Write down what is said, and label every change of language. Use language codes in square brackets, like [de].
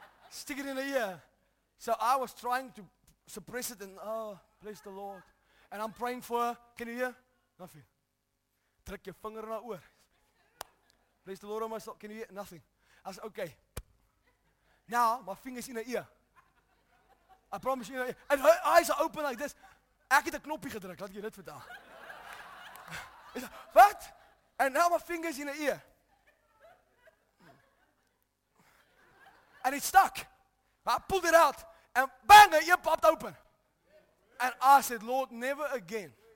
[en] Stick it in her ear. So I was trying to suppress it and, oh, bless the Lord. And I'm praying for her. Can you hear? Nothing. Trek your finger in her ear. Bless the Lord on my soul. Can you hear? Nothing. I said, okay. Now my finger's in her ear. I promise you in her ear. And her eyes are open like this. [af] Ek het 'n knoppie gedruk, laat jy dit vertel. Wat? [en] And now my finger's in her ear. And it stuck. But I pulled it out. And bang, her ear popped open. And I said, Lord, never again.